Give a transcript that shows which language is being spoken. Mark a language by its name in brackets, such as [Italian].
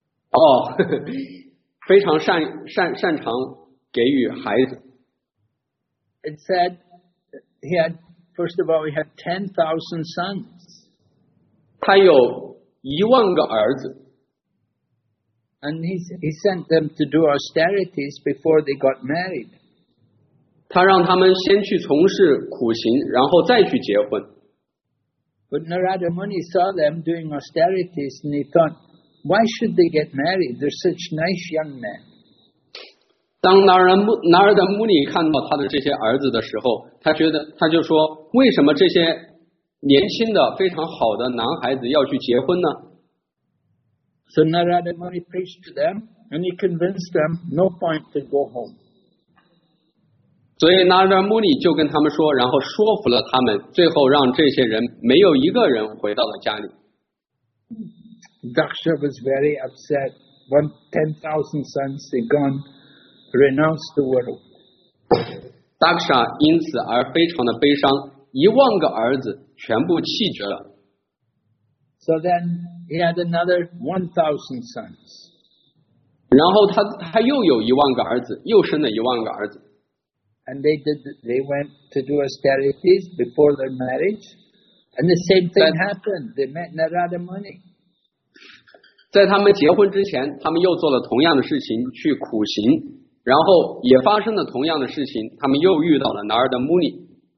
[Chinese] 哦，非常擅长给予孩子。 [English] It said he had, first of all, he had 10,000 sons. [Chinese] 他有一万个儿子。 [English] And he sent them to do austerities before they got married. [Chinese] 他让他们先去从事苦行，然后再去结婚。 [English] But Narada Muni saw them doing austerities and he thought, why should they get married? They're such nice young men. [Chinese] 当拿尔达穆尼看到他的这些儿子的时候，他就说，为什么这些年轻的非常好的男孩子要去结婚呢？ [English] So Narada Muni preached to them, and he convinced them no point to go home. [Chinese] 所以 Narada Muni 就跟他们说，然后说服了他们，最后让这些人没有一个人回到了家里。 [English] Daksha was very upset. One 10,000 sons had gone, renounced the world. [Chinese] Daksha 因此而非常的悲伤，一万个儿子全部弃绝了。 [English] So then he had another 1,000 sons. [Chinese] 然后他又有一万个儿子，又生了一万个儿子。 [English] And they went to do austerities before their marriage, and the same thing happened. They met Narada Muni. [Chinese] 在他们结婚之前，他们又做了同样的事情，去苦行，然后也发生了同样的事情，他们又遇到了 Narada Muni.